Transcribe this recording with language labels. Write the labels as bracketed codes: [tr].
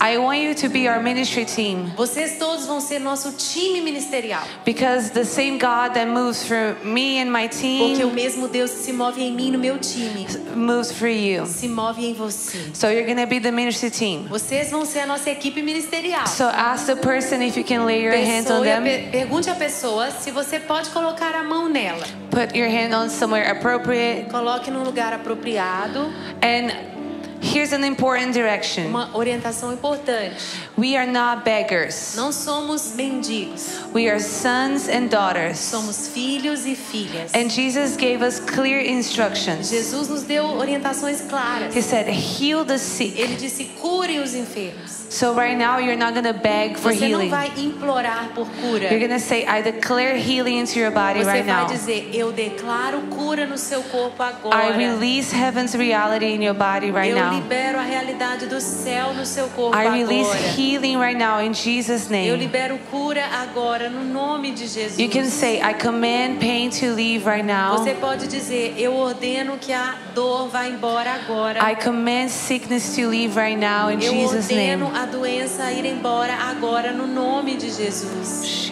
[en] I want you to be our ministry team. [pt] Vocês todos vão ser nosso time ministerial. [en] Because the same God that moves through me and my team, [pt] porque o mesmo Deus se move em mim e no meu time, [en] moves through you. [pt] Se move em você. [en] So you're going to be the ministry team. [pt] Vocês vão ser a nossa equipe ministerial. [en] So ask the person if you can lay your hands on them. [pt] Pergunte a pessoa se você pode colocar a mão nela. [en] Put your hand on somewhere appropriate. [pt] Coloque num lugar apropriado. [en] And here's an important direction. [pt] Uma orientação importante. [en] We are not beggars. [pt] Não somos mendigos. [en] We are sons and daughters. [pt] Somos filhos e filhas. [en] And Jesus gave us clear instructions. [pt] Jesus nos deu orientações claras. [en] He said, "Heal the sick." [pt] Ele disse, "Cure os enfermos." [en] So right now you're not going to beg for [pt] você [en] healing. [pt] Não vai implorar por cura. [en] You're going to say, "I declare healing into your body [pt] você [en] right [pt] vai [en] now." [pt] Dizer, eu declaro cura no seu corpo agora. [en] I release heaven's reality in your body right [pt] eu [en] now. [pt] Libero a realidade do céu no seu corpo [en] I release [pt] agora. [en] Healing right now in Jesus' name. [pt] Eu libero cura agora no nome de Jesus. [en] You can say, "I command pain to leave right now." [pt] Você pode dizer, eu ordeno que a dor vá embora agora. [en] I command sickness to leave right now in [pt] eu [en] Jesus' name. [pt] A doença ir embora agora no nome de Jesus.